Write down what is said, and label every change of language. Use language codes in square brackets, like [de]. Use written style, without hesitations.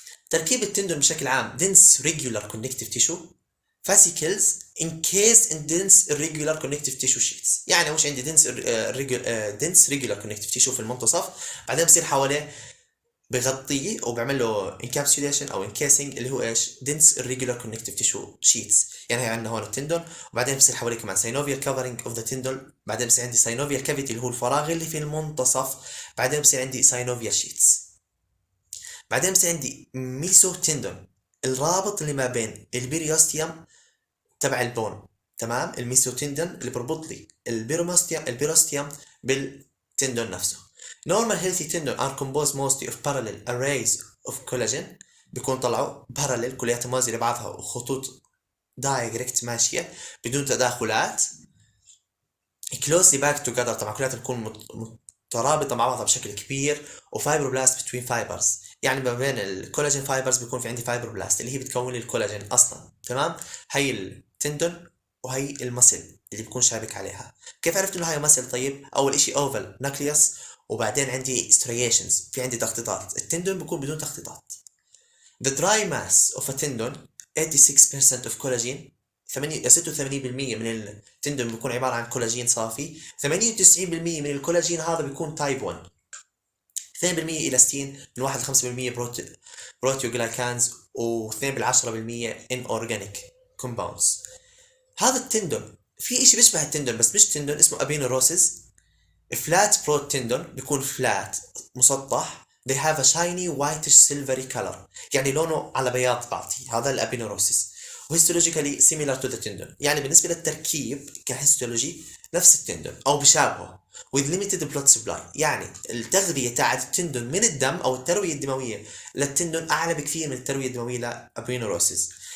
[ar] تركيب التندون بشكل عام [en] dense regular connective tissue fascicles in case in dense regular connective tissue sheets, [ar] يعني مش عندي دنس ريجولار كونكتيف تيشو في المنتصف، بعدين بصير حواليه بغطيه وبعمل له انكابسوليشن او انكيسنج اللي هو ايش؟ دنس ريجولار كونكتيف تيشو شيتس، يعني هي عندنا هون التندون، وبعدين بصير حواليه كمان [en] synovial covering of the tendon, [ar] بعدين بصير عندي سينوفيال كافيتي اللي هو الفراغ اللي في المنتصف، بعدين بصير عندي سينوفيال شيتس. بعدين بصير عندي ميسو تندون الرابط اللي ما بين البيريوستيوم تبع البون، تمام؟ الميسو تندون اللي بربط لي البيروستيوم بالتندون نفسه. [en] Normal healthy tendon are composed mostly of parallel arrays of collagen. [ar] بيكون طلعوا parallel كليات موازية لبعضها وخطوط direct ماشية بدون تداخلات. [en] Closely back together [ar] طبعا كلياتها بتكون مترابطة مع بعضها بشكل كبير. وفايبروبلاست [en] between fibers [ar] يعني ما بين الكولاجين فايبرز بيكون في عندي فايبروبلاست اللي هي بتكون لي الكولاجين أصلا، تمام؟ هي التندون وهي المسل اللي بيكون شابك عليها. كيف عرفت إنه هاي مسل؟ طيب أول إشي أوفل نوكليوس وبعدين عندي استرياشنز، في عندي تخطيطات. التندون بيكون بدون تخطيطات. [en] The dry mass of a tendon 86% of collagen [ar] 86% من التندون بيكون عبارة عن كولاجين صافي. 98% من الكولاجين هذا بيكون تايب 1. 2% إلاستين، من 1-5% بروتيوغلايكانز و 2-10% [en] inorganic compounds. [ar] هذا التندون في إشي بيشبه التندون بس مش تندون، اسمه أبينوروسيس. [en] Flat broad tendon [ar] بيكون [en] flat [ar] مسطح. [en] They have a shiny whitish silvery color، [ar] يعني لونه على بياض بعطي، هذا الأبينوروسيس. [en] Histologically similar to the tendon، [ar] يعني بالنسبة للتركيب كهيستولوجي نفس التندون أو بشابهه. [en] With limited blood supply، [ar] يعني التغذية تاعت التندون من الدم أو التروية الدموية للتندون أعلى بكثير من التروية الدموية لأبينوروسيس.